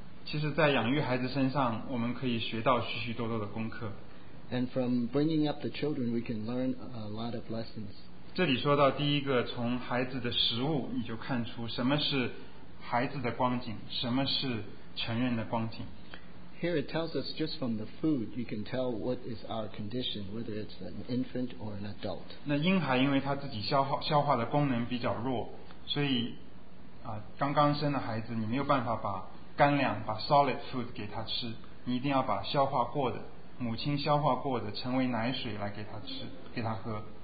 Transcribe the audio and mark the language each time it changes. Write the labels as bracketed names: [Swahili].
[Chinese] 其实在养育孩子身上我们可以学到许许多多的功课。 [English] And from bringing up the children we can learn a lot of lessons. [Chinese] 这里说到第一个，从孩子的食物你就看出什么是孩子的光景，什么是成人的光景。 [English] Here it tells us just from the food you can tell what is our condition, whether it's an infant or an adult. [Chinese] 那婴孩因为他自己消化的功能比较弱，所以刚刚生的孩子你没有办法把干粮，把 [English] solid food [Chinese] 给他吃，你一定要把消化过的，母亲消化过的，成为奶水来给他吃，给他喝。